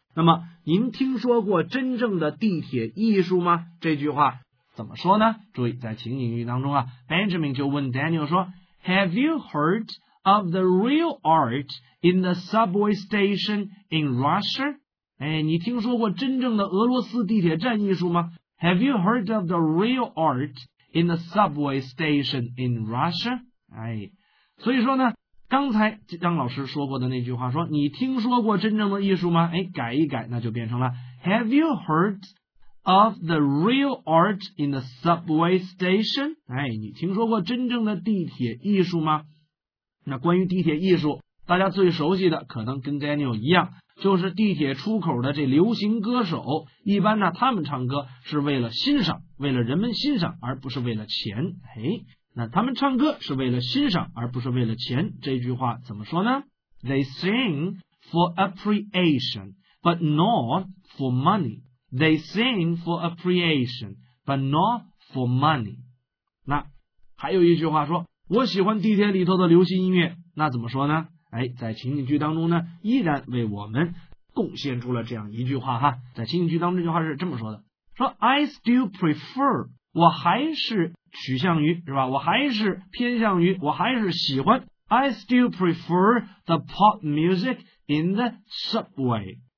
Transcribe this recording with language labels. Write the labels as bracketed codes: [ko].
[zh] 那么您听说过真正的地铁艺术吗？这句话怎么说呢？注意在情景语当中啊， Benjamin 就问 Daniel 说， [en] Have you heard of the real art in the subway station in Russia? [zh] 哎，你听说过真正的俄罗斯地铁站艺术吗？ [en] Have you heard of the real art in the subway station in Russia? [zh] 哎，所以说呢，刚才张老师说过的那句话说，你听说过真正的艺术吗？哎，改一改，那就变成了 [en] Have you heard of the real art in the subway station? [zh] 哎，你听说过真正的地铁艺术吗？那关于地铁艺术，大家最熟悉的可能跟 Daniel 一样，就是地铁出口的这流行歌手，一般呢他们唱歌是为了欣赏，为了人们欣赏，而不是为了钱。哎，那他们唱歌是为了欣赏而不是为了钱，这句话怎么说呢？ [en] They sing for appreciation but not for money. They sing for appreciation but not for money. [zh] 那还有一句话说，我喜欢地铁里头的流行音乐，那怎么说呢？哎，在情景句当中呢，依然为我们贡献出了这样一句话哈。在情景句当中这句话是这么说的，说 [en] I still prefer, [zh] 我还是取向于，是吧，我还是偏向于，我还是喜欢 [en] I still prefer the pop music in the subway。